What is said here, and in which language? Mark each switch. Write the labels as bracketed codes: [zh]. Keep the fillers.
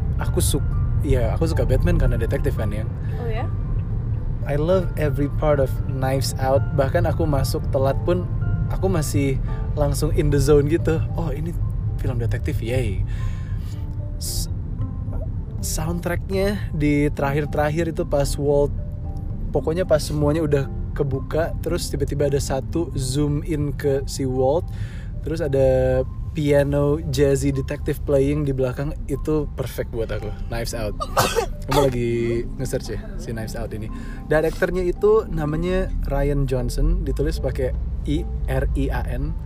[id] Aku suka, ya aku suka Batman karena detektif kan ya. Oh ya? Yeah? [en] I love every part of Knives Out. [id] Bahkan aku masuk telat pun, aku masih langsung [en] in the zone [id] gitu. Oh ini film detektif, yay. S- soundtracknya di terakhir-terakhir itu pas Walt, pokoknya pas semuanya udah kebuka, terus tiba-tiba ada satu zoom in ke si Walt, terus ada [en] piano jazzy detective playing [id] di belakang itu perfect buat aku Knives Out kamu lagi nge-search ya si Knives Out ini direkturnya itu namanya Ryan Johnson ditulis pakai I R I A N